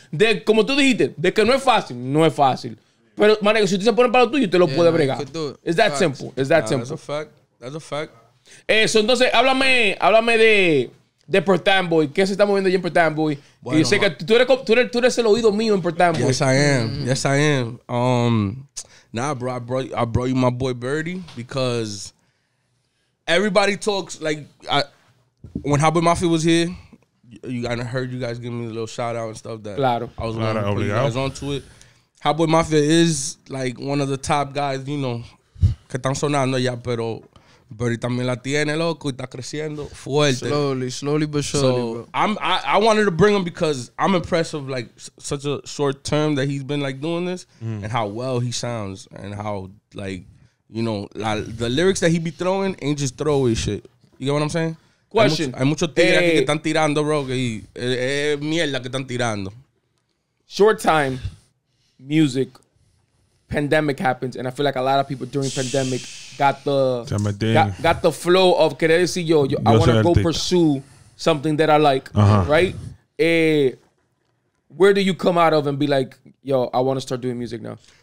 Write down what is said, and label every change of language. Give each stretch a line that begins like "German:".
Spanish: De, como tú dijiste, de que no es fácil, no es fácil. Pero, manega, si usted se pone para lo tuyo, usted lo puede bregar.
English: Es that simple. That's a fact.
Spanish: Eso, entonces, háblame de Pertan Boy. ¿Qué se está moviendo allí en Pertan Boy? Bueno, y sé que tú eres el oído mío en Pertan Boy.
English: Yes, I am. Yes, I am. Bro, I brought you my boy Burdie because everybody talks, like, when Hobby Mafia was here, you kind of heard you guys give me a little shout out and stuff that I was going to put you guys onto it.
Spanish: Hot Boy Mafia
English: is like one of the top guys, you know,
Spanish: que están sonando ya, pero Burdie también la tiene, loco, y está creciendo fuerte.
English: Slowly but surely, so, bro. I wanted to bring him because I'm impressed of like such a short term that he's been like doing this and how well he sounds and how like, you know, the lyrics that he be throwing ain't just throwaway shit. You get what I'm saying? Question.
Spanish: Hay muchos tigres aquí que están tirando, bro, que mierda que están tirando.
English: Short time. Music, pandemic happens, and I feel like a lot of people during pandemic got the flow of
Spanish: querer decir yo
English: I want to go pursue something that I like, right? Where do you come out of and be like, yo, I want to start doing music now?